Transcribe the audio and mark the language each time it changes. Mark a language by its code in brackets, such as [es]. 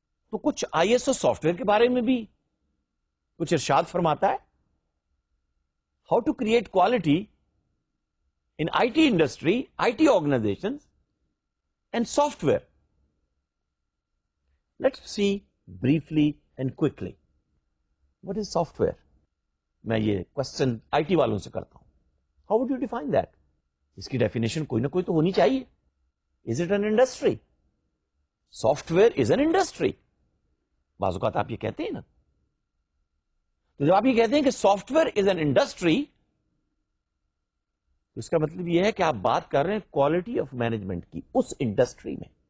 [ur] تو کچھ I S O soft where کے بارے میں بھی کچھ ارشاد فرماتا ہے, [en] How to create quality in I T industry, I T organization and software. Let's see briefly and quickly what is software. [ur] میں یہ کوشچن آئی ٹی والوں سے کرتا ہوں, [en] How would you define that? [ur] اس کی definition کوئی نہ کوئی تو ہونی چاہیے. [en] Is it an industry? Software is an industry. [ur] بعض اوقات آپ یہ کہتے ہیں نا, تو جب آپ یہ کہتے ہیں کہ [en] software is an industry, [ur] اس کا مطلب یہ ہے کہ آپ بات کر رہے ہیں کوالٹی آف مینجمنٹ کی اس انڈسٹری میں.